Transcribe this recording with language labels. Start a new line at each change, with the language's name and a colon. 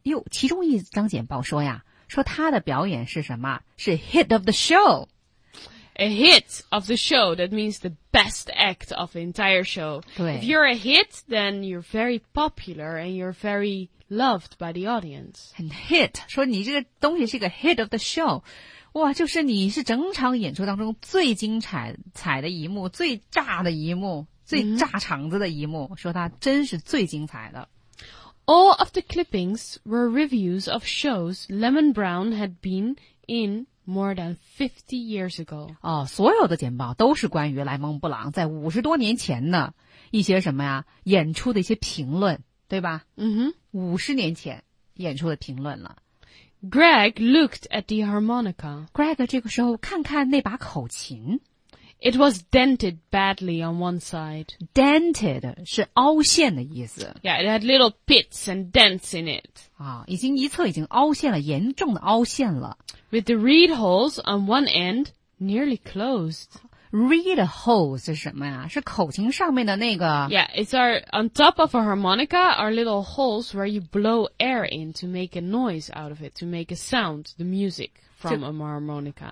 Chinese: 哟其中一张简报说呀说他的表演是什么是
English: hit of the show. A hit of the show, that means the best act of the entire show.
Chinese: 对
English: If you're a hit, then you're very popular and you're veryloved by the audience. And hit,
Chinese: 说你这个东西是一个
English: hit of the show.
Chinese: 哇就是你是整场演出当中最精彩的一幕最炸的一幕最炸场子的一幕、mm-hmm. 说它真是最精彩的。
English: All of the clippings were reviews of shows Lemon Brown had been in more than 50 years ago.
Chinese: 哦所有的简报都是关于莱蒙布朗在50多年前的一些什么呀演出的一些评论。对吧嗯哼五十年前演出的评论了。
English: Greg looked at the harmonica.
Chinese: Greg 这个时候看看那把口琴。
English: It was dented badly on one side.
Chinese: Dented 是凹陷的意思。
English: Yeah, it had little pits and dents in it.
Chinese: 啊已经一侧已经凹陷了严重的凹陷了。 With the reed holes on one end nearly closed.
English: read a hole
Chinese: 是什么呀？是口琴上面的那个
English: Yeah, it's our, on top of a harmonica are little holes where you blow air in to make a noise out of it, to make a sound, the music from a harmonica.